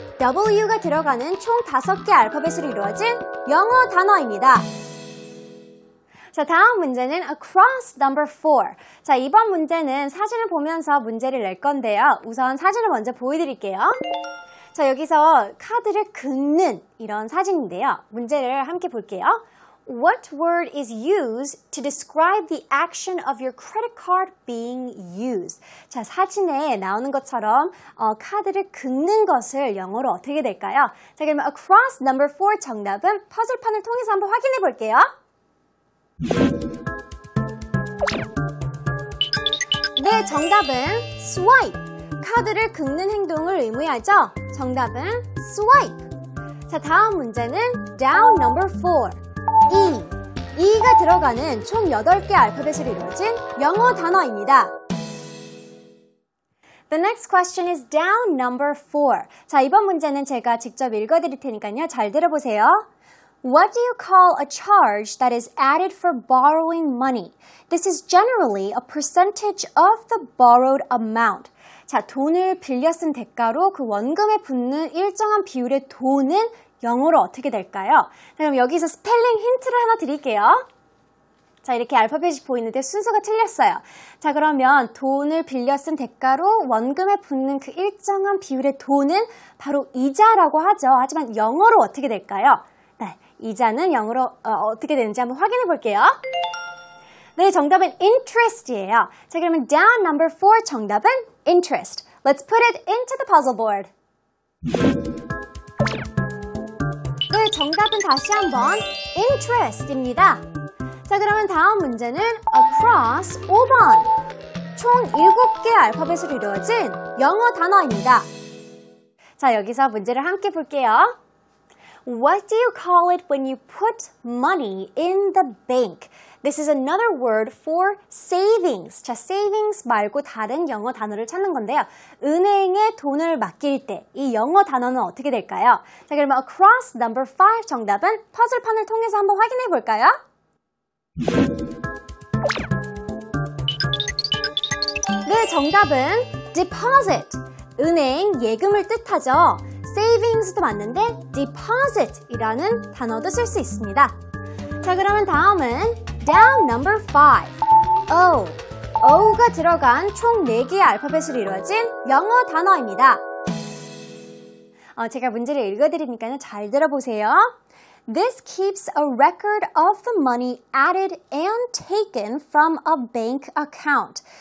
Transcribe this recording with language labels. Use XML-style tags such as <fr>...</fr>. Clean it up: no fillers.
<ko>W가 들어가는 총 5개 알파벳으로 이루어진 영어 단어입니다. 자, 다음 문제는 across number 4. 자, 이번 문제는 사진을 보면서 문제를 낼 건데요. 우선 사진을 먼저 보여드릴게요. 자, 여기서 카드를 긁는 이런 사진인데요. 문제를 함께 볼게요.</ko> <en>What word is used to describe the action of your credit card being used?</en> <ko>자, 사진에 나오는 것처럼 카드를 긁는 것을 영어로 어떻게 될까요? 자, 그러면 across number 4 정답은 퍼즐판을 통해서 한번 확인해 볼게요. The 정답은 swipe. 카드를 긁는 행동을 의미하죠? 정답은 swipe. 자, 다음 문제는 down number 4. E가 들어가는 총 8개 알파벳을 이루어진 영어 단어입니다.</ko> <en>The next question is down number 4.</en> <ko>자, 이번 문제는 제가 직접 읽어 드릴 테니까요. 잘 들어 보세요.</ko> <en>What do you call a charge that is added for borrowing money? This is generally a percentage of the borrowed amount.</en> <ko>자, 돈을 빌려 쓴 대가로 그 원금에 붙는 일정한 비율의 돈은 영어로 어떻게 될까요? 그럼 여기서 스펠링 힌트를 하나 드릴게요. 자, 이렇게 알파벳이 보이는데 순서가 틀렸어요. 자, 그러면 돈을 빌려 쓴 대가로 원금에 붙는 그 일정한 비율의 돈은 바로 이자라고 하죠. 하지만 영어로 어떻게 될까요? 네, 이자는 영어로 어떻게 되는지 한번 확인해 볼게요. 네, 정답은 interest이에요. 자, 그러면 down number 4 정답은 interest.</ko> <en>Let's put it into the puzzle board.</en> <ko>네, 정답은 다시 한번 interest입니다. 자, 그러면 다음 문제는 across 5번. 총 7개 알파벳으로 이루어진 영어 단어입니다. 자, 여기서 문제를 함께 볼게요.</ko> <en>What do you call it when you put money in the bank? This is another word for savings.</en> <ko>자, savings 말고 다른 영어 단어를 찾는 건데요. 은행에 돈을 맡길 때 이 영어 단어는 어떻게 될까요? 자, 그러면 across number 5 정답은 퍼즐판을 통해서 한번 확인해 볼까요? 네, 정답은 deposit. 은행 예금을 뜻하죠. savings도 맞는데 deposit이라는 단어도 쓸 수 있습니다. 자, 그러면 다음은 down number 5. O가 들어간 총 4개의 알파벳으로 이루어진 영어 단어입니다. 제가 문제를 읽어드리니까 잘 들어보세요.</ko> <en>This keeps a record of the money added and taken from a bank account.</en>